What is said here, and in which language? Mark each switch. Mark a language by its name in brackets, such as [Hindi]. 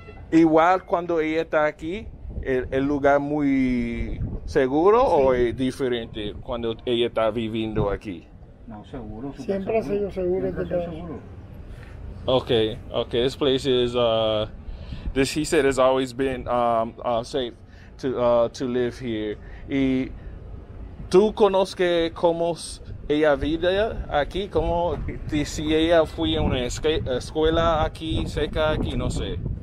[Spanish] Igual cuando ella está aquí, el lugar muy... ¿Seguro sí. O es diferente cuando ella está viviendo aquí? No, seguro. Siempre seguro. Ha sido seguro. Siempre ha sido seguro. [English] Okay, this place is, this he said has always been safe to live here. [Spanish] ¿Y tú conoces cómo ella vive aquí? ¿Cómo, si ella fue a una escuela aquí, cerca aquí, no sé?